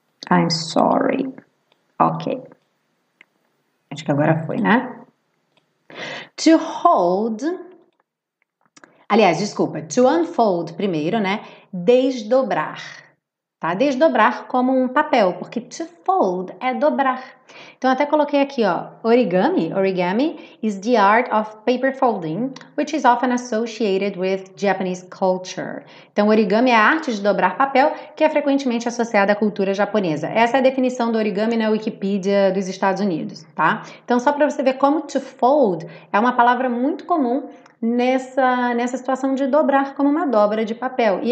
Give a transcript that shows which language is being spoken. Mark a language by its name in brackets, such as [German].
[English] I'm sorry. [Portuguese] Ok. Acho que agora foi, né? To hold. Aliás, desculpa. To unfold primeiro, né? Desdobrar. Tá? Desdobrar como um papel, porque to fold é dobrar. Então, até coloquei aqui, ó. Origami. [English] Origami is the art of paper folding, which is often associated with Japanese culture. [Portuguese] Então, origami é a arte de dobrar papel, que é frequentemente associada à cultura japonesa. Essa é a definição do origami na Wikipedia dos Estados Unidos, tá? Então, só para você ver como to fold é uma palavra muito comum nessa situação de dobrar como uma dobra de papel.